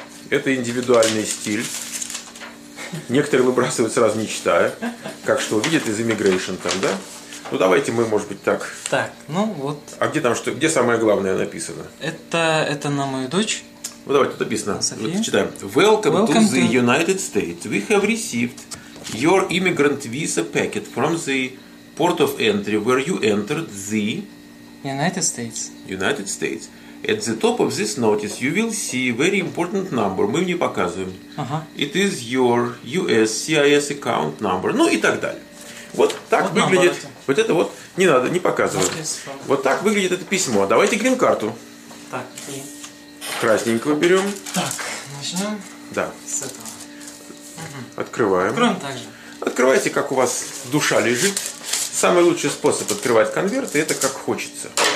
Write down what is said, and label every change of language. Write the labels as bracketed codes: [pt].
[ru] Это индивидуальный стиль. Некоторые выбрасывают сразу, не читая. Как что увидят из Immigration там, да? Ну, давайте мы, может быть, так. Так, ну вот. А где там что? Где самое главное написано? Это на мою дочь. Ну, давайте, тут написано. Вот, читаем. [en] Welcome to the United States. We have received your immigrant visa packet from the port of entry where you entered the United States. United States. At the top of this notice you will see very important number. [ru] Мы не показываем. Uh-huh. [en] It is your USCIS account number. [ru] Ну и так далее. Вот так вот выглядит. Вот это вот. Не надо, не показываю. Вот так выглядит это письмо. Давайте грин-карту. Так. И красненького берем. Так, начнем. Да. С этого. Открываем. Откроем также. Открывайте, как у вас душа лежит. Самый лучший способ открывать конверты – это как хочется.